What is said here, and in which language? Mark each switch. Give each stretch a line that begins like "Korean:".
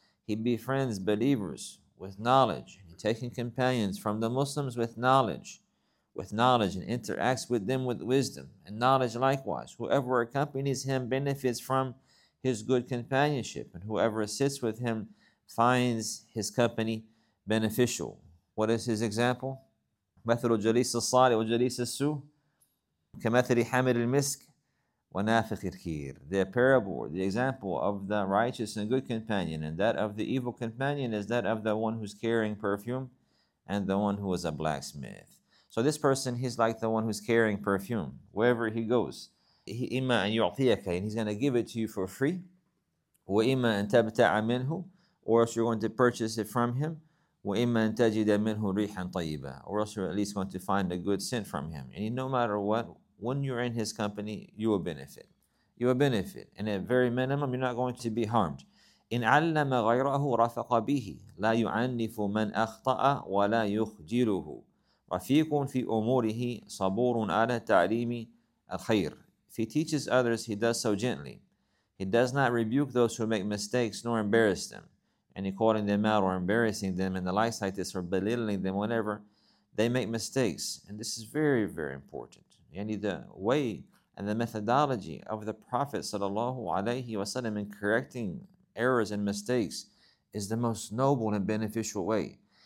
English: He befriends believers with knowledge, taking companions from the Muslims with knowledge, and interacts with them with wisdom and knowledge likewise. Whoever accompanies him benefits from his good companionship, and whoever sits with him finds his company beneficial. What is his example?
Arabic: مثل جليس الصالح وجليس السوء كمثل حامل المسك ونافخ الكير.
English: The parable, the example of the righteous and good companion, and that of the evil companion is that of the one who's carrying perfume and the one who is a blacksmith. So this person, he's like the one who's carrying perfume wherever he goes.
Arabic: إما أن يعطيك,
English: and he's going to give it to you for free.
Arabic: وإما أن تبتع منه,
English: or else you're going to purchase it from him.
Arabic: وإما أن تجد منه ريحا طيبة,
English: or else you're at least going to find a good scent from him. And no matter what, when you're in his company, you will benefit. You will benefit. And at very minimum, you're not going to be harmed.
Arabic: إن علم غيره رفق به لا يعنف من أخطأ ولا يخجله رفيق في أموره صبور على تعليم الخير.
English: If he teaches others, he does so gently. He does not rebuke those who make mistakes nor embarrass them. And he calling them out or embarrassing them in the likes like this or belittling them whenever they make mistakes. And this is very, very important. And the way and the methodology of the Prophet sallallahu alayhi wa sallam in correcting errors and mistakes is the most noble and beneficial way.